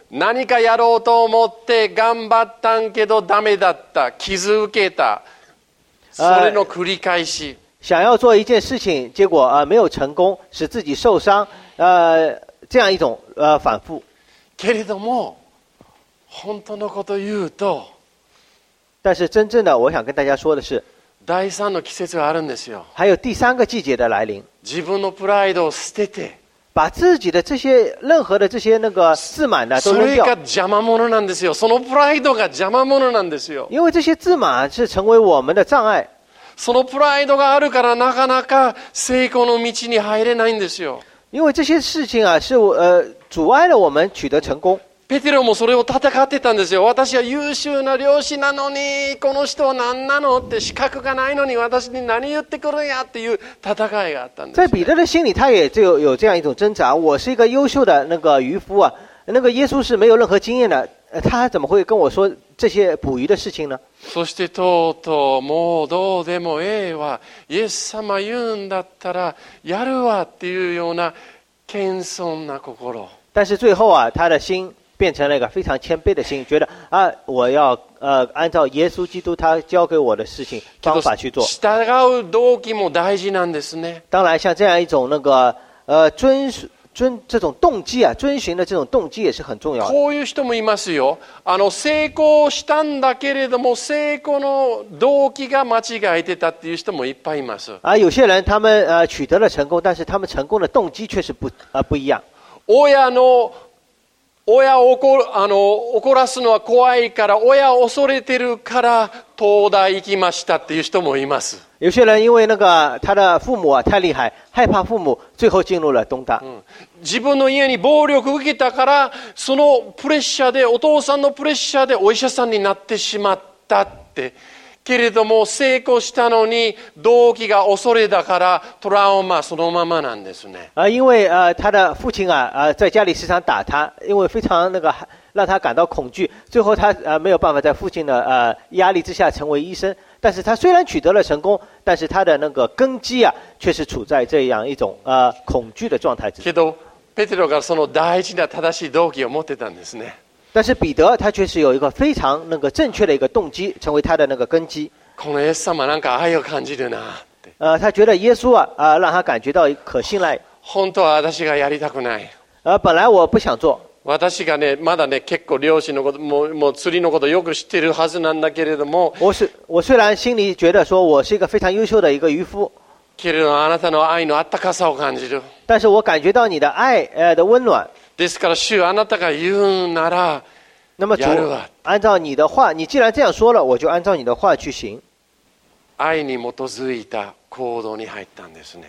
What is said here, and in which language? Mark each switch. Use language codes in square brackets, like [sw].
[ja] 何かやろうと思って頑張ったんけどダメだった、傷受けた、それの繰り返し。 [zh] 想要做一件事情，结果没有成功，使自己受伤，这样一种反复。 [ja] けれども本当のことを言うと、 [zh] 但是真正的我想跟大家说的是， [ja] 第三の季節があるんですよ。 [zh] 还有第三个季节的来临。 [ja] 自分のプライドを捨てて。 [zh] 把自己的这些任何的这些那个自满的都扔掉。 [ja] それが邪魔者なんですよ。そのプライドが邪魔者なんですよ。 [zh] 因为这些自满是成为我们的障碍。 [ja] そのプライドがあるからなかなか成功の道に入れないんですよ。 [zh] 因为这些事情啊是阻碍了我们取得成功。 [ja] ペテロもそれを戦ってたんですよ。私は優秀な漁師なのに、この人は何なのって、資格がないのに私に何言ってくるんやっていう戦いがあったんです [zh] よ。在彼得的心里他也就有这样一种挣扎。我是一个优秀的那个渔夫啊。那个耶稣是没有任何经验的。他怎么会跟我说这些捕鱼的事情呢？ [ja] そしてとうとう、もうどうでもええわ。イエス様言うんだったらやるわっていうような謙遜な心。 [zh] 但是最后啊，他的心变成了一个非常谦卑的心，觉得啊，我要按照耶稣基督他教给我的事情方法去做。 [ja] 従う動機も大事なんですね。 [zh] 当然，像这样一种那个遵这种动机啊，遵循的这种动机也是很重要的。 [ja] こういう人もいますよ。あの成功したんだけれども成功の動機が間違えてたっていう人もいっぱいいます。 [zh] 啊，有些人他们取得了成功，但是他们成功的动机确实不一样。 [ja] 親の親を怒らすのは怖いから、親を恐れてるから東大行きましたっていう人もいます。 [zh] 有些人因为那个他的父母啊太厉害，害怕父母，最后进入了东大。 [ja] 自分の家に暴力受けたから、そのプレッシャーでお父さんのプレッシャーでお医者さんになってしまったって。けれども成功したのに動機が恐れだからトラウマそのままなんですね。 [zh] 因为他的父亲啊在家里时常打他，因为非常那个让他感到恐惧，最后他没有办法在父亲的压力之下成为医生。但是他虽然取得了成功，但是他的那个根基啊却是处在这样一种恐惧的状态之中。 [ja] けどペテロがその大事な正しい動機を持ってたんですね。 [zh] 但是彼得他确实有一个非常那个正确的一个动机成为他的那个根基。 [ja] このイエス様なんか愛を感じるな。 [zh] 他觉得耶稣啊让他感觉到可信赖。 [ja] 本当は私がやりたくない。 [zh] 本来我不想做。 [ja] 私がねまだね結構漁師のこと もう釣りのことよく知ってるはずなんだけれども。 [zh] 我虽然心里觉得说我是一个非常优秀的一个渔夫。 [ja] けれどあなたの愛のあったかさを感じる。 [zh] 但是我感觉到你的爱的温暖。 [ja] ですから主あなたが言うならやるわ。 [zh] 那么主按照你的话，你既然这样说了，我就按照你的话去行。 [ja] 愛に基づいた行動に入ったんですね。